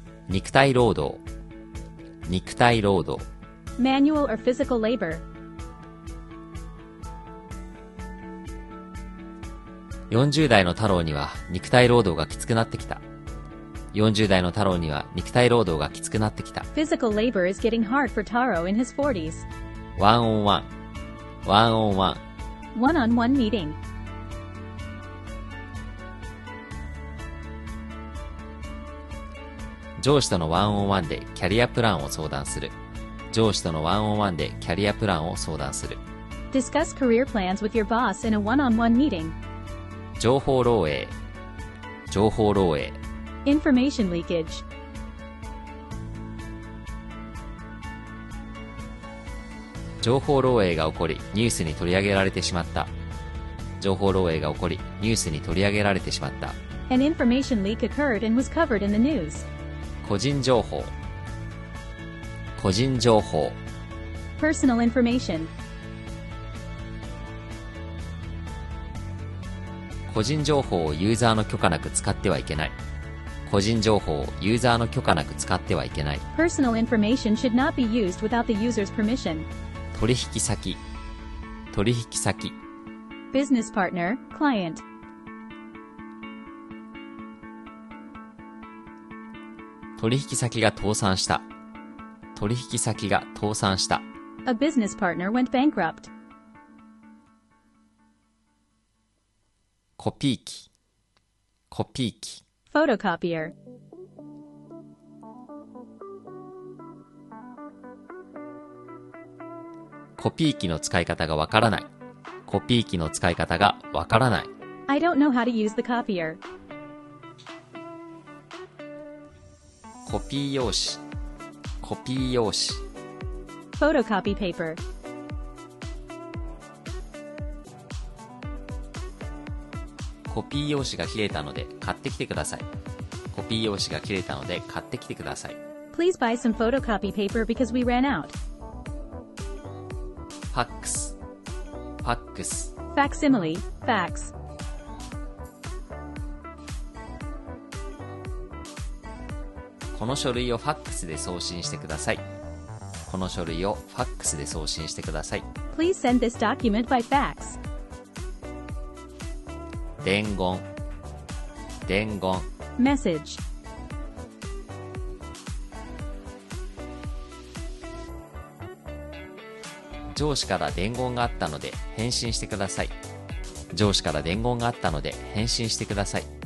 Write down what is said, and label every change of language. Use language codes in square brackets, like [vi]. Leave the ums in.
[ja] 肉体労働肉体労働 [en] manual or physical labor [ja] 40代の太郎には肉体労働がきつくなってきた40代の太郎には肉体労働がきつくなってきた [en] physical labor is getting hard for taro in his 40s one on one one on one one on one meeting [ja] 上司とのワンオンワンでキャリアプランを相談する上司とのワンオンワンでキャリアプランを相談する [en] Discuss career plans with your boss in a one-on-one meeting [ja] 情報漏洩情報漏洩 [en] Information leakage [ja] 情報漏洩が起こりニュースに取り上げられてしまった情報漏洩が起こりニュースに取り上げられてしまった [en] An information leak occurred and was covered in the news leak occurred and [ja] 個人情報個人情報 [en] personal information [ja] 個人情報をユーザーの許可なく使ってはいけない個人情報をユーザーの許可なく使ってはいけない [en] personal information should not be used without the user's permission [ja] 取引先取引先 [en] business partner, client [ja] 取引先が倒産した。取引先が倒産した。 [en] A business partner went bankrupt. [ja] コピー機コピー機 [en] Photocopier. [ja] コピー機の使い方がわからない。コピー機の使い方がわからない。 [en] I don't know how to use the copier. [ja] コピー用紙コピー用紙 [en] フォトコピーペーパー [ja] コピー用紙が切れたので買ってきてくださいコピー用紙が切れたので買ってきてください [en] Please buy some photocopy paper because we ran out [ja] ファックスファックファックスこの書類を FAX で送信してくださいこの書類を FAX で送信してください [en] Please send this document by fax [ja] 伝言伝言 [en] Message [ja] 上司から伝言があったので返信してください上司から伝言があったので返信してください